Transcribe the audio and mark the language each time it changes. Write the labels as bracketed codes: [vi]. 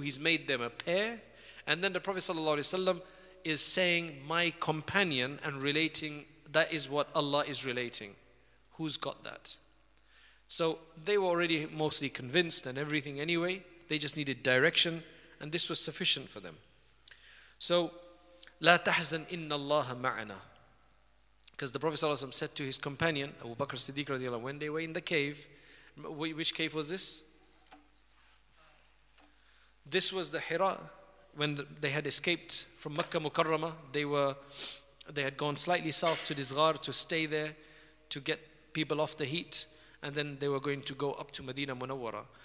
[en] He's made them a pair. And then the Prophet ﷺ is saying, my companion, and relating, that is what Allah is relating. Who's got that? So they were already mostly convinced and everything anyway. They just needed direction, and this was sufficient for them. [ar] So, لا تحزن إن الله معنا. [en] Because the Prophet ﷺ said to his companion, Abu Bakr Siddiq radiallahu anhu, when they were in the cave, which cave was this? This was the Hira, when they had escaped from Makkah Mukarrama. They had gone slightly south to Dizghar to stay there, to get people off the heat, and then they were going to go up to Medina Munawwara.